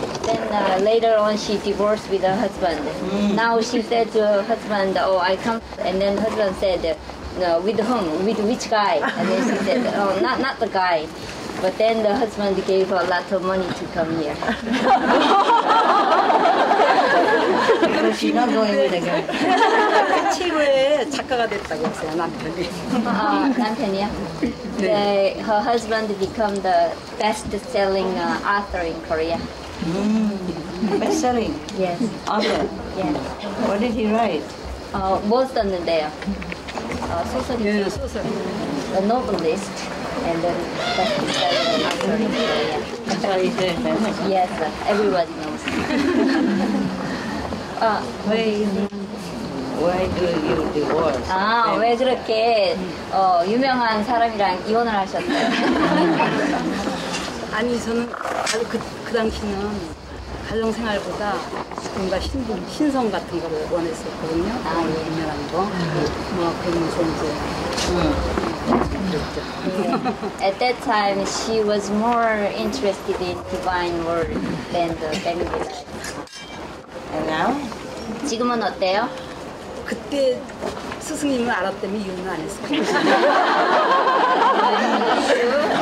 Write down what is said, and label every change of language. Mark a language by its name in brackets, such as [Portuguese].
[English] Then later on, she divorced with her husband. Now she said to her husband, "Oh, I come." And then husband said, "No, with whom? With which guy?" And then she said, "Oh, not the guy." But then the husband gave her a lot of money to come here. [Korean] 지난번에 친구의 작가가 됐다고 했어요 남편이. 아 남편이요? 네. [English] Her husband become the best-selling author in Korea. Best-selling? Yes. Author? Yes. What did he write? [Korean] 뭐 썼는데요? 소설이요. 예, 소설. [English] A novelist and then best-selling author in Korea. [Korean] 저희 이제 네. [English] Yes, everybody knows. [Korean] 왜 [English] you divorce? [Korean] 아, 네. 왜 그렇게 유명한 사람이랑 이혼을 하셨어요? 아니 저는 아주 그 당시는 가정 생활보다 뭔가 신성 같은 거를 원했었거든요. 아, 뭐, 유명한 거. 뭐 그런 좀 이제 [English] At that time she was more interested in divine world than the family life. And now? [Korean] 지금은 어때요? 그때 스승님을 알았다면 이혼을 안 했을까요?